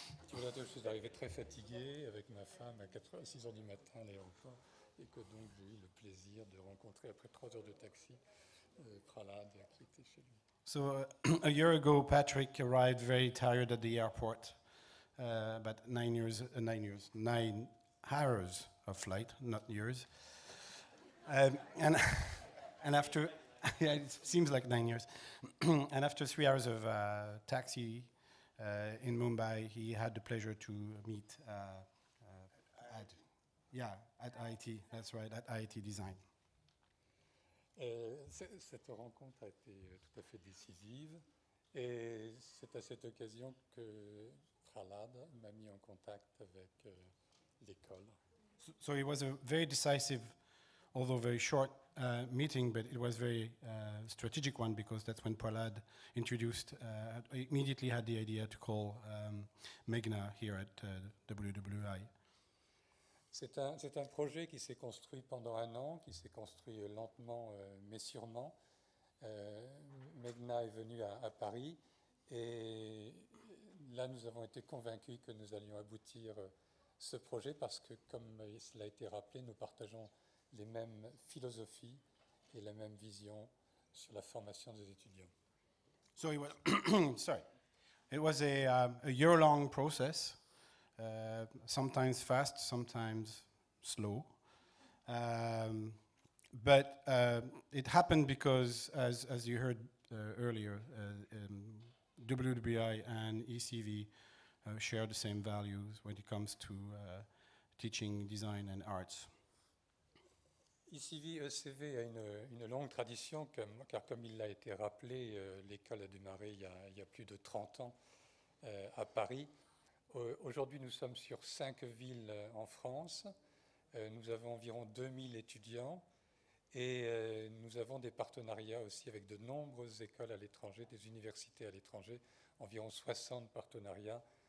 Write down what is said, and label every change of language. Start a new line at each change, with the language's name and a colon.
French: Tu vois, je suis arrivé très fatigué avec ma femme à 6 heures du matin à l'aéroport et que donc j'ai eu le plaisir de rencontrer après 3 heures de taxi Prahlad qui était chez lui.
English: So a year ago Patrick arrived very tired at the airport, but nine hours of flight, not years. And after, yeah, it seems like 9 years. And after 3 hours of taxi in Mumbai, he had the pleasure to meet at IIT. That's right, at IIT Design.
French: Cette rencontre a été tout à fait décisive, et c'est à cette occasion que Prahlad m'a mis en contact avec l'école.
English: So it was a very decisive, although very short meeting, but it was very strategic one, because that's when Prahlad introduced, immediately had the idea to call Meghna here at WWI.
French: C'est un projet qui s'est construit pendant un an, qui s'est construit lentement mais sûrement. Meghna est venue à Paris, et là nous avons été convaincus que nous allions aboutir ce projet, parce que comme cela a été rappelé, nous partageons les mêmes philosophies et la même vision sur la formation des étudiants.
English: So it was a year-long process, sometimes fast, sometimes slow, but it happened because, as you heard earlier, WWI and ECV share the same values when it comes to teaching design and arts.
French: ICV ECV a une longue tradition, car comme il l'a été rappelé, l'école a démarré il y a plus de 30 ans à Paris. Aujourd'hui, nous sommes sur 5 villes en France. Nous avons environ 2000 étudiants, et nous avons des partenariats aussi avec de nombreuses écoles à l'étranger, des universités à l'étranger, environ 60 partenariats.